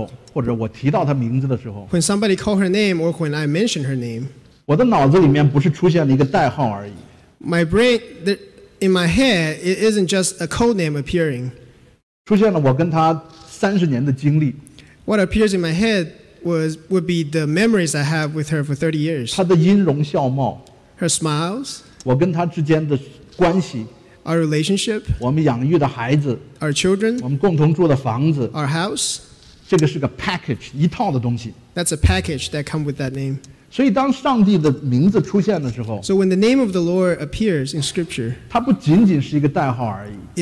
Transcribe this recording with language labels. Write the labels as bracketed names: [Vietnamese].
[Chinese] 当她的名字被叫的时候，或者我提到她名字的时候， [English] When somebody call her name or when I mention her name, [Chinese] 我的脑子里面不是出现了一个代号而已。 [English] My brain, in my head, it isn't just a code name appearing. [Chinese] 出现了我跟她30年的经历。 [English] What appears in my head was would be the memories I have with her for 30 years. [Chinese] 她的音容笑貌。 [English] Her smiles. [Chinese] 我跟她之间的关系。 [English] Our relationship. [Chinese] 我们养育的孩子。 [English] Our children. [Chinese] 我们共同住的房子。 [English] Our house. [Chinese] 这个是个 package， 一套的东西。 [English] That's a package that comes with that name. [Chinese] 所以当上帝的名字出现的时候， [English] So when the name of the Lord appears in Scripture, [Chinese] 它不仅仅是一个代号而已。